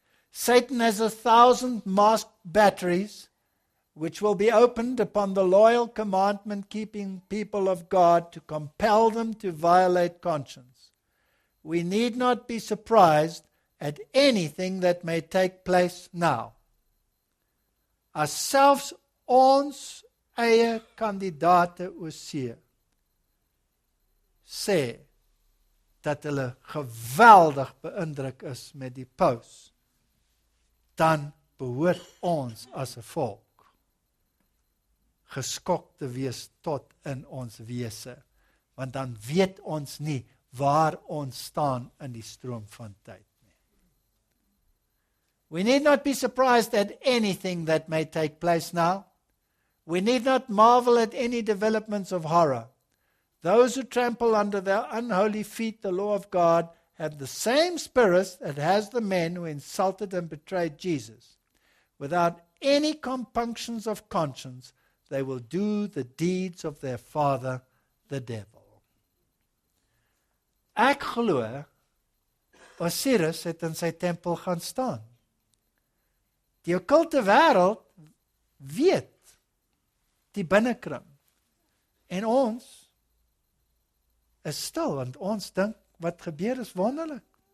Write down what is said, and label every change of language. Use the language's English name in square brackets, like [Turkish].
[English] Satan has 1,000 masked batteries which will be opened upon the loyal commandment-keeping people of God to compel them to violate conscience. We need not be surprised at anything that may take place now. [Afrikaans] As selfs ons eie kandidate Osee sê dat hulle geweldig beïndruk is met die paus, dan behoort ons as 'n volk geskok te wees tot in ons wese, want dan weet ons nie waar ons staan in die stroom van tyd nie. [English] We need not be surprised at anything that may take place now. We need not marvel at any developments of horror. Those who trample under their unholy feet the law of God have the same spirit that has the men who insulted and betrayed Jesus. Without any compunctions of conscience, they will do the deeds of their father, the devil. [Afrikaans] Ek glo, Osiris het in sy tempel gaan staan. Die okkulte wêreld weet die binnekring. En ons is stil, want ons dink wat gebeur is wonderlik.